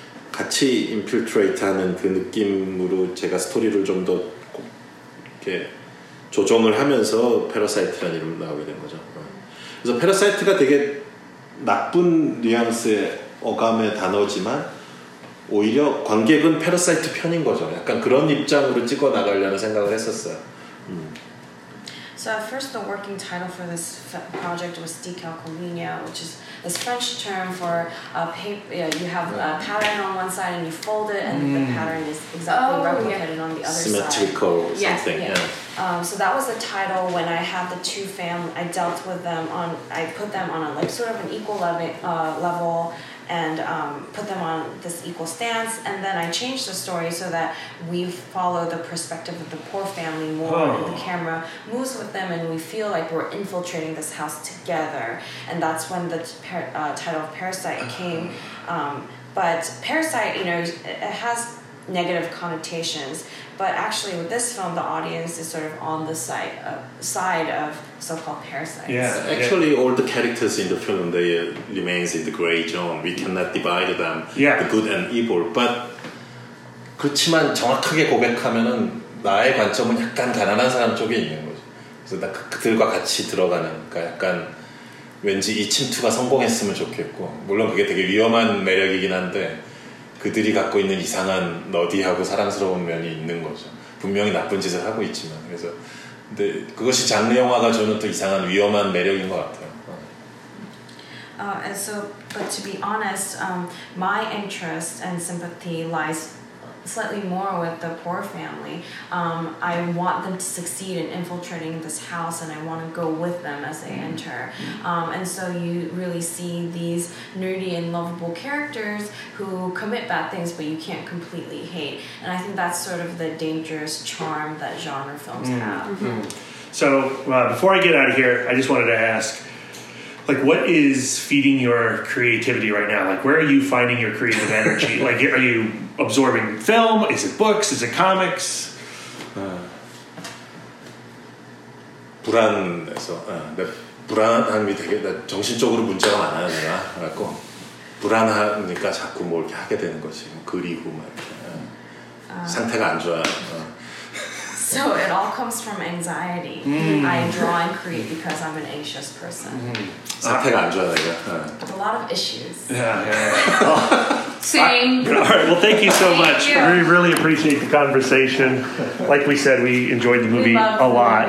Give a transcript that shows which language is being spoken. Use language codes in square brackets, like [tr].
[ko] 같이 인필트레이트 하는 그 느낌으로 제가 스토리를 좀 더 이렇게 조정을 하면서 패러사이트라는 이름이 나오게 된 거죠. 그래서 패러사이트가 되게 나쁜 뉘앙스의 어감의 단어지만, 오히려 관객은 패러사이트 편인 거죠. 약간 그런 입장으로 찍어 나가려는 생각을 했었어요. [en] So at first the working title for this project was decalcomania, which is this French term for a paper. Yeah, you have a pattern on one side and you fold it, and the pattern is exactly replicated on the other symmetrical side. Symmetrical something. Yes, yeah. So that was the title when I had the two family. I dealt with them on. I put them on a, like, sort of an equal level. And put them on this equal stance, and then I changed the story so that we follow the perspective of the poor family more, and the camera moves with them, and we feel like we're infiltrating this house together. And that's when the title of Parasite came. But Parasite, you know, it has negative connotations, but actually with this film, the audience is sort of on the side of so-called parasites. Yeah, actually, all the characters in the film, they remains in the gray zone. We cannot divide them, the good and evil. [ko] But 그렇지만 정확하게 고백하면은 나의 관점은 약간 가난한 사람 쪽에 있는 거죠. 그래서 나 그들과 같이 들어가는, 그러니까 약간 왠지 이 침투가 성공했으면 좋겠고, 물론 그게 되게 위험한 매력이긴 한데, 그들이 갖고 있는 이상한 너디하고 사랑스러운 면이 있는 거죠. 분명히 나쁜 짓을 하고 있지만, 그래서 근데 그것이 장르 영화가 주는 또 이상한 위험한 매력인 것 같아요. [en] And so, but to be honest, my interest and sympathy lies slightly more with the poor family. I want them to succeed in infiltrating this house, and I want to go with them as they enter. And so you really see these nerdy and lovable characters who commit bad things, but you can't completely hate. And I think that's sort of the dangerous charm that genre films have. So before I get out of here, I just wanted to ask, like, what is feeding your creativity right now? Like, where are you finding your creative energy? Like, are you absorbing film? Is it books? Is it comics? [ko] 불안해서 근데 불안함이 되게 정신적으로 문제가 많아요 내가 그래서 불안하니까 자꾸 뭘 이렇게 하게 되는 거지 그리고 막 상태가 안 좋아. [en] So it all comes from anxiety. I draw and create because I'm an anxious person. A lot of issues. Same. All right, well, thank you so much. You. We really appreciate the conversation. Like we said, we enjoyed the movie a lot.